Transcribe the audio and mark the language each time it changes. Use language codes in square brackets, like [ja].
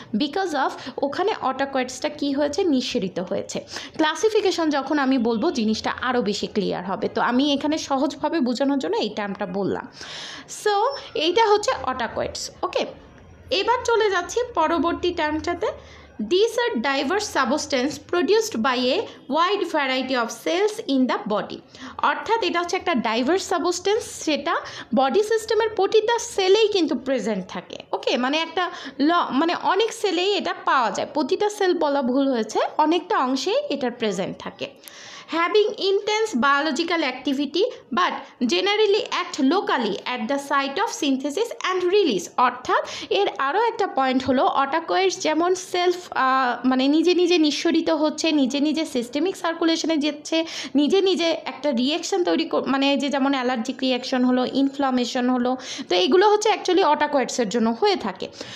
[bn] Because of ওখানে অটাকয়েডসটা কী হয়েছে, নিঃসৃত হয়েছে। ক্লাসিফিকেশন যখন আমি বলবো জিনিসটা আরও বেশি ক্লিয়ার হবে, তো আমি এখানে সহজভাবে বোঝানোর জন্য এই টার্মটা বললাম। সো এইটা হচ্ছে অটাকয়েডস। ওকে, এবার চলে যাচ্ছি পরবর্তী টার্মটাতে। [en] These are diverse substances produced by a wide variety of cells in the body. [bn] অর্থাৎ এটা হচ্ছে একটা ডাইভার্স সাবস্টেন্স, সেটা বডি সিস্টেমের প্রতিটা সেলেই কিন্তু প্রেজেন্ট থাকে। ওকে, মানে একটা মানে অনেক সেলেই এটা পাওয়া যায়, প্রতিটা সেল বলা ভুল হয়েছে, অনেকটা অংশেই এটা প্রেজেন্ট থাকে। [en] Having intense biological activity but generally act locally at the site of synthesis and release. [bn] অর্থাৎ এর আরও একটা পয়েন্ট হলো, অটাকয়েডস যেমন সেলফ মানে নিজে নিজে নিঃসরিত হচ্ছে, নিজে নিজে সিস্টেমিক সার্কুলেশনে যাচ্ছে, নিজে নিজে একটা রিয়াকশন তৈরি, মানে যে যেমন অ্যালার্জিক রিয়াকশন হলো, ইনফ্লামেশন হলো, তো এগুলো হচ্ছে অ্যাকচুয়ালি অটাকয়েডসের জন্য হয়ে থাকে।